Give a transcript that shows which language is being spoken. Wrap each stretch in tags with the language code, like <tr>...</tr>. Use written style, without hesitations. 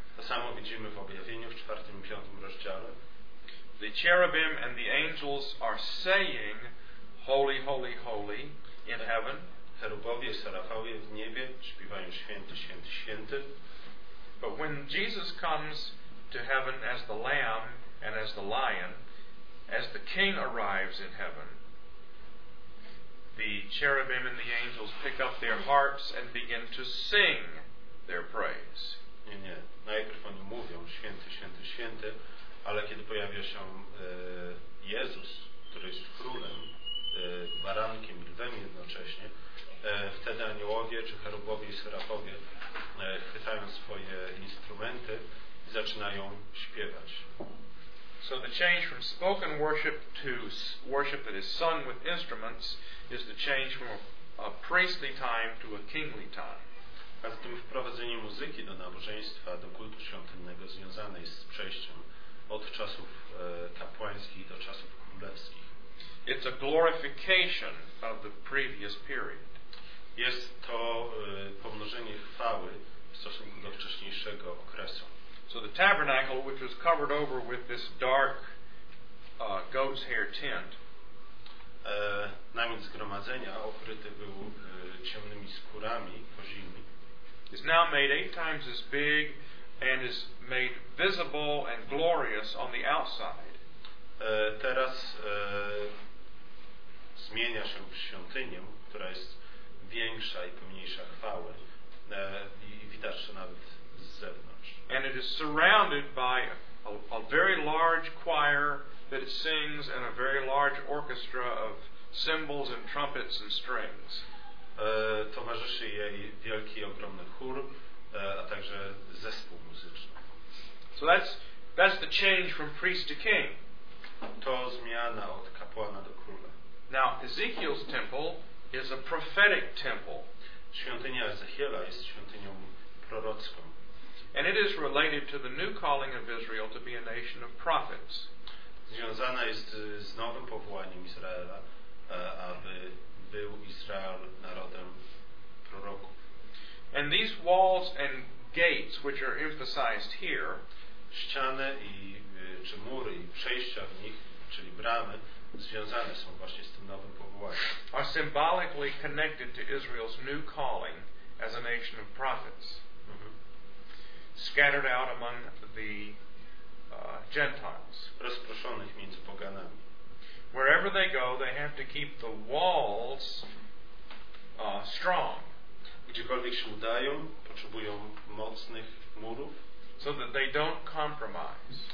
<pl>To samo widzimy w objawieniu w 4 i 5 rozdziale.</pl> <en>The cherubim and the angels are saying, "Holy, holy, holy" in heaven.</en> <pl>Cherubowie, serafowie w niebie śpiewają święty, święty, święty.</pl> <en>But when Jesus comes to heaven as the lamb and as the lion, as the king arrives in heaven, the cherubim and the angels pick up their harps and begin to sing their praise.</en> <pl>Nie, nie. Najpierw oni mówią święty, święty, święty, ale kiedy pojawia się Jezus, który jest królem, barankiem i lwem jednocześnie, wtedy aniołowie czy cherubowie i serafowie chwytają swoje instrumenty i zaczynają śpiewać.</pl> <en>So the change from spoken worship to worship that is sung with instruments is the change from a priestly time to a kingly time.</en> <pl>A zatem wprowadzenie muzyki do nabożeństwa, do kultu świątynnego związane jest z przejściem od czasów kapłańskich do czasów królewskich.</pl> <en>It's a glorification of the previous period.</en> <pl>Jest to pomnożenie chwały w stosunku do wcześniejszego okresu.</pl> <en>So the tabernacle, which was covered over with this dark goat's hair tent,</en> <pl>namiot zgromadzenia okryty był ciemnymi skórami kozimi,</pl> <en>is now made 8 times as big and is made visible and glorious on the outside.</en> <pl>Teraz zmienia się w świątynię, która jest większa i pomniejsza chwały, i widać to nawet z zewnątrz.</pl> <en>And it is surrounded by a very large choir that sings and a very large orchestra of cymbals and trumpets and strings.</en> <pl>Towarzyszy jej wielki, ogromny chór, a także zespół muzyczny.</pl> <en>So that's the change from priest to king.</en> <pl>To zmiana od kapłana do króla.</pl> <en>Now, Ezekiel's temple is a prophetic temple.</en> <pl>Świątynia Ezechiela jest świątynią prorocką.</pl> <en>And it is related to the new calling of Israel to be a nation of prophets.</en> <pl>Związana jest z nowym powołaniem Izraela, aby był Izrael narodem proroków.</pl> <en>And these walls and gates which are emphasized here,</en> <pl>ściany i czy mury i przejścia w nich, czyli bramy, związane są właśnie z tym nowym powołaniem.</pl> <en>Are symbolically connected to Israel's new calling as a nation of prophets. Scattered out among the Gentiles.</en> <pl>Rozproszonych między poganami.</pl> <en>Wherever they go, they have to keep the walls strong.</en> <pl>Gdziekolwiek się udają, potrzebują mocnych murów.</pl> <en>So that they don't compromise.</en>